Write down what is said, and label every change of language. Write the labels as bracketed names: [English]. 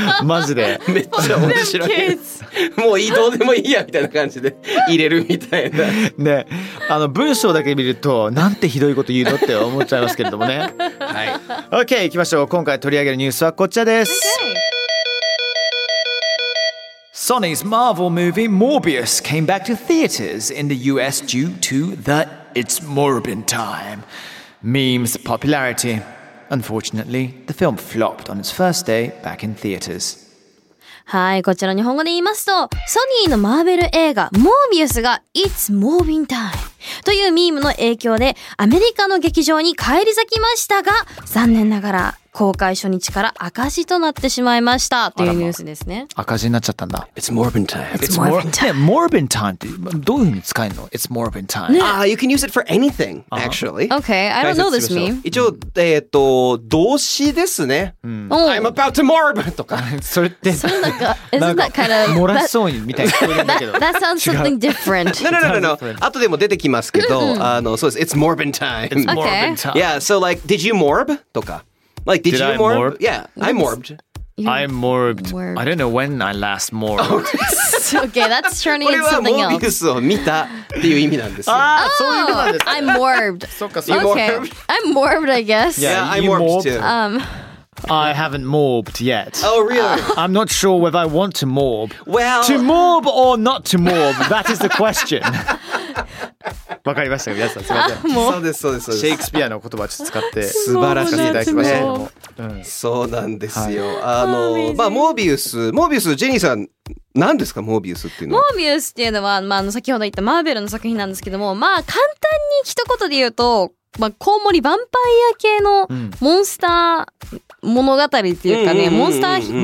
[Japanese] マジで。めっちゃ面白い。もういい、どうでもいいや、みたいな感じで入れるみたいな。ね。文章だけ見ると、なんてひどいこと言うのって思っちゃいますけれどもね。はい。 OK、行きましょう。今回取り上げるニュースはこちらです。 [English] Sony's Marvel movie Morbius came back to theaters in the US due to the It's Morbin time memes popularity. Unfortunately, the film flopped on its first day back in theaters. [Japanese] はい、こちら日本語で言いますと、ソニーのマーベル映画 Morbius が It's Morbin time というミームの影響でアメリカの劇場に返り咲きましたが、残念ながら公開初日から赤字となってしまいましたというニュースですね。赤字になっちゃったんだ。 [English] It's Morbin time. It's Morbin time. [Japanese] Yeah, Morbin time ってどういう風に使えるの？ [English] It's Morbin time. Ah,、ね、you can use it for anything, actually. Okay, I don't know this meme. [Japanese] 一応、動詞ですね。 [English] うん、I'm about to morb! [Japanese] とか。それって、そのなんか、 [English] isn't that kind of... [Japanese] 漏らしそうにみたいな声だけど。 [English] That sounds something different. No, no, no, no, no. [Japanese] 後でも出てきますけど、そうです。 [English] It's Morbin time. It's Morbin time. Okay. Yeah, so like, did you morb? とか。Like, did you morb? Yeah, I morbed. I morbed. I don't know when I last morbed. Okay, that's turning into something else. [Japanese] これはモービスを見たっていう意味なんですよ。ああ、そういう意味なんですか。 [English] I'm morbed. [Japanese] そうか、そうか。 [English] Okay, I'm morbed, I guess. Yeah, I morbed too. I haven't morbed yet. Oh, really? I'm not sure whether I want to morb. Well... To morb or not to morb, that is the question. [Japanese] わかりましたよ皆さん、すみません。うそうですそうですそうです。シェイクスピアの言葉ちょっと使って素晴らしいいただきましたけども、うん、そうなんですよ、はい、まあモービウスジェニーさん、何ですかモービウスっていうのは。モービウスっていうのは、まあ、先ほど言ったマーベルの作品なんですけども、まあ簡単に一言で言うと、まあ、コウモリヴァンパイア系のモンスター物語っていうかね、モンスターヒーロー